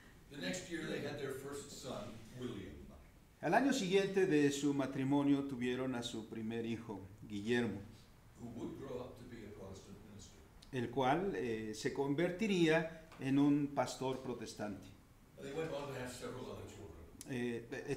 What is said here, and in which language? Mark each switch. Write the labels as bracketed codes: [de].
[en] The next year they had their first son, William. [es] Al año siguiente de su matrimonio tuvieron a su primer hijo, Guillermo, [en] who would grow up to be a Protestant minister. [es] El cual se convertiría en un pastor protestante. [en] They went on to have several other children.